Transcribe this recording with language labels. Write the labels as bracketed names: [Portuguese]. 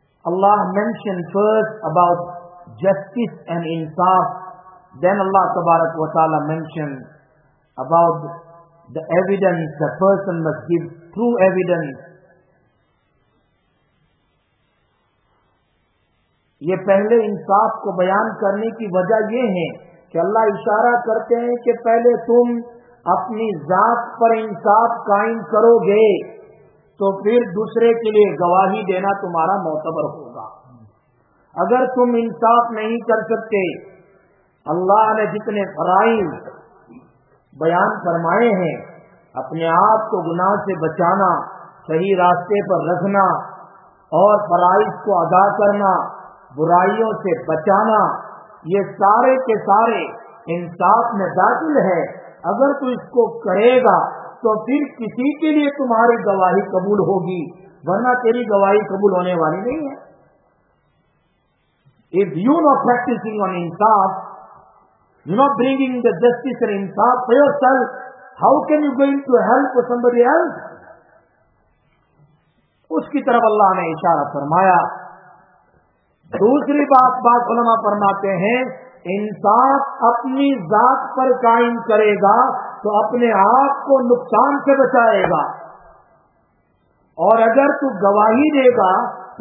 [English] Allah mentioned first about justice and insaf, then Allah tabarak wa ta'ala mentioned about the evidence, the person must give true evidence. [Urdu] یہ پہلے انصاف کو بیان کرنے کی وجہ یہ ہے کہ اللہ اشارہ کرتے ہیں کہ پہلے تم اپنی ذات پر انصاف قائم کرو گے تو پھر دوسرے کے لیے گواہی دینا تمہارا معتبر ہوگا. اگر تم انصاف نہیں کر سکتے, اللہ نے جتنے فرائض بیان فرمائے ہیں, اپنے آپ کو گناہ سے بچانا, صحیح راستے پر رکھنا اور فرائض کو ادا کرنا, برائیوں سے بچانا, یہ سارے کے سارے انصاف میں داخل ہے. اگر تو اس کو کرے گا تو پھر کسی کے لیے تمہاری گواہی قبول ہوگی, ورنہ تیری گواہی قبول ہونے والی نہیں ہے. [English] If you not practicing on insaf, you not bringing the justice and insaf for yourself, how can you going to help somebody else? [Urdu] اس کی طرف اللہ نے اشارہ فرمایا. دوسری بات علماء فرماتے ہیں, انصاف اپنی ذات پر قائم کرے گا تو اپنے آپ کو نقصان سے بچائے گا, اور اگر تو گواہی دے گا تو